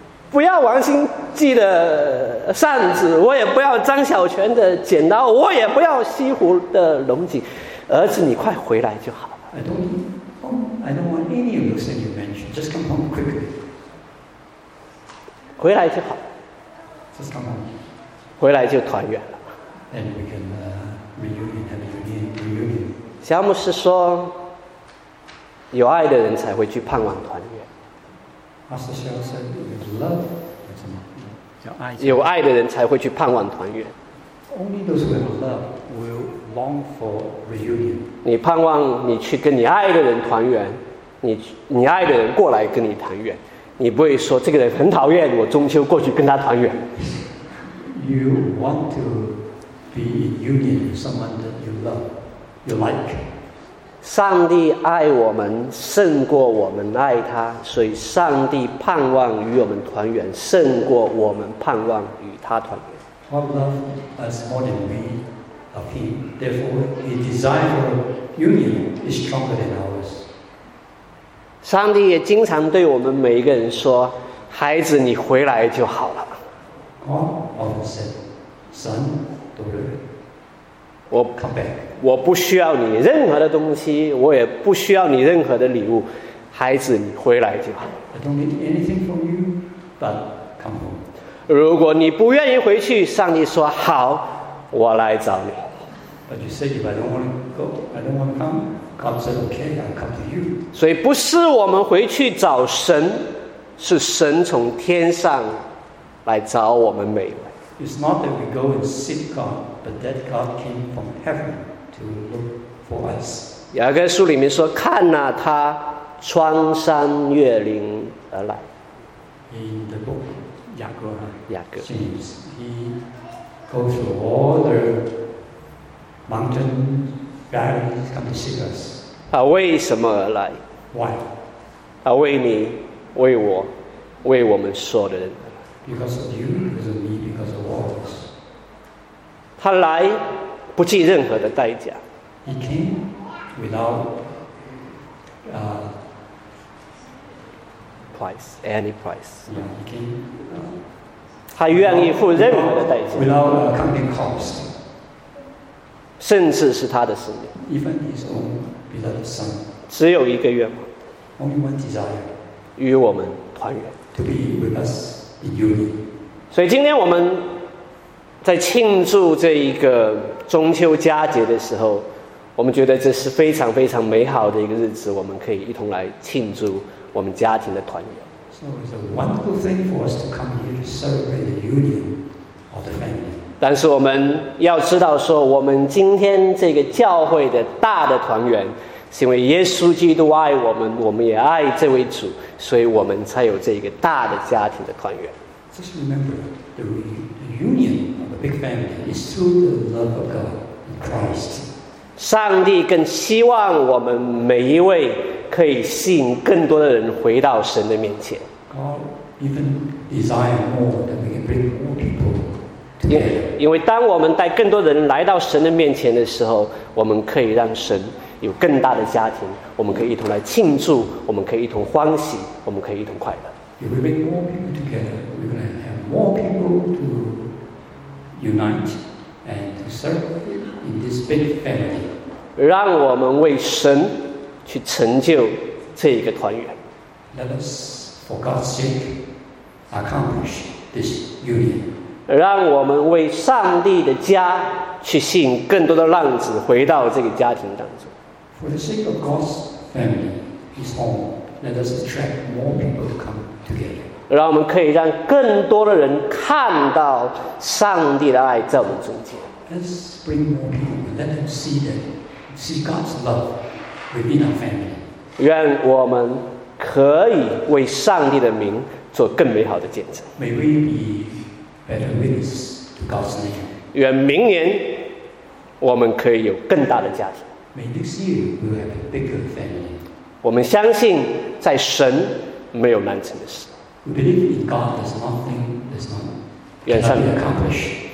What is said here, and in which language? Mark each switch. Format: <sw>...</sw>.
<zh>不要王星记的扇子，我也不要张小泉的剪刀，我也不要西湖的龙井。” 儿子，你快回来就好了。</zh> <en>I don't want any of those that you mentioned. Just come home quickly.</en> <zh>回来就好。</zh> <en>Just come home.</en> <zh>回来就团圆了。</zh> <en>And we can reunion.</en> <zh>小牧师说，有爱的人才会去盼望团圆。</zh> <en>Pastor Shell said, "With love,</en> <zh>什么？叫爱。有爱的人才会去盼望团圆。</zh> <en>Only those who have love will. Long for reunion.</en> <zh>你盼望你去跟你爱的人团圆，你爱的人过来跟你团圆，你不会说这个人很讨厌，我中秋过去跟他团圆。</zh> <en>You want to be in union with someone that you love, you like.</en> <zh>上帝爱我们胜过我们爱他，所以上帝盼望与我们团圆，胜过我们盼望与他团圆。</zh> <en>God loves us more than we. Of him. Therefore, his desire for union is stronger than ours.</en> <zh>上帝也经常对我们每一个人说：“孩子，你回来就好了。”</zh> <en>God often said, "Son, daughter, come back."</en> <zh>我不需要你任何的东西，我也不需要你任何的礼物。孩子，你回来就好。</zh> <en>I don't need anything from you, but come home.</en> <zh>如果你不愿意回去，上帝说：“好。” 我来找你。</zh> <en>But you said if I don't want to go, I don't want to come. God said, "Okay, I'll come to you."</en> <zh>所以不是我们回去找神，是神从天上来找我们每一位。</zh> <en>It's not that we go and seek God, but that God came from heaven to look for us.</en> <zh>雅各书里面说：“看哪、啊，他穿山越岭而来。”</zh> <en>In the book, 雅各啊，</en> <zh>雅各</zh> <en>James, he. Go through all the mountain valleys, come to see us.</en> <zh>他为什么而来</zh> <en>？Why?</en> <zh>他为你，为我，为我们所有的人。</zh> <en>Because of you, because of me, because of all of us.</en> <zh>他来，不计任何的代价。</zh> <en>He came without price, any price. Yeah, he came.</en> <zh>他愿意付任何的代价。</zh> <en>Without accounting cost.</en> <zh>甚至是他的生命。</zh> <en>Even his own beloved son.</en> <zh>只有一个愿望。</zh> <en>Only one desire.</en> <zh>与我们团圆。</zh> <en>To be with us in unity.</en> <zh>所以今天我们在庆祝这一个中秋佳节的时候，我们觉得这是非常非常美好的一个日子，我们可以一同来庆祝我们家庭的团圆。</zh> <en>So it's a wonderful thing for us to come here to celebrate the union of the family.</en> <zh>但是我们要知道说，我们今天这个教会的大的团圆，是因为耶稣基督爱我们，我们也爱这位主，所以我们才有这个大的家庭的团圆。</zh> <en>Just remember, the union of the big family is through the love of God in Christ.</en> <zh>上帝更希望我们每一位可以吸引更多的人回到神的面前。</zh> <en>God even desires more than we can bring more people together.</en> <zh>因为当我们带更多人来到神的面前的时候，我们可以让神有更大的家庭，我们可以一同来庆祝，我们可以一同欢喜，我们可以一同快乐。</zh> <en>If we bring more people together, we're going to have more people to unite and to serve in this big family.</en> <zh>让我们为神去成就这一个团圆。</zh> <en>Let us, for God's sake, accomplish this union.</en> <zh>让我们为上帝的家去吸引更多的浪子回到这个家庭当中。</zh> <en>For the sake of God's family, His home, let us attract more people to come. Together.</en> <zh>让我们可以让更多的人看到上帝的爱在我们中间。</zh> <en>Let's bring more people. Let them see that, see God's love within our family.</en> <zh>愿我们可以为上帝的名做更美好的见证。</zh> <en>May we be better witnesses to God's name.</en> <zh>愿明年我们可以有更大的家庭。</zh> <en>May next year we have a bigger family.</en> <zh>我们相信在神没有难成的事。</zh> <en>We believe in God. There's nothing that's not cannot be accomplished.</en>